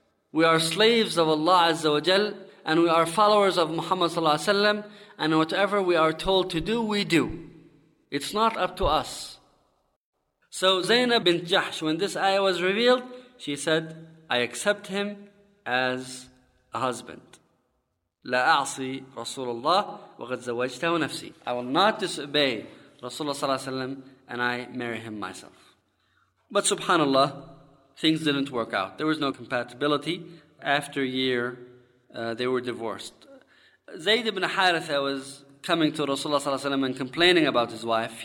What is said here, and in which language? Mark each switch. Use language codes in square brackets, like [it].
[en] We are slaves of Allah azza wa jalla. And we are followers of Muhammad sallallahu alaihi wasallam, and whatever we are told to do, we do. It's not up to us. So Zainab bint Jahsh, when this ayah was revealed, she said, "I accept him as a husband. [ar] لا أعصي رسول الله وقد زوجته نفسي. [en] I will not disobey Rasulullah sallallahu alaihi wasallam, and I marry him myself." But subhanallah, things didn't work out. There was no compatibility. After a year, they were divorced. Zayd ibn Haritha was coming to Rasulullah sallallahu alaihi wasallam and complaining about his wife.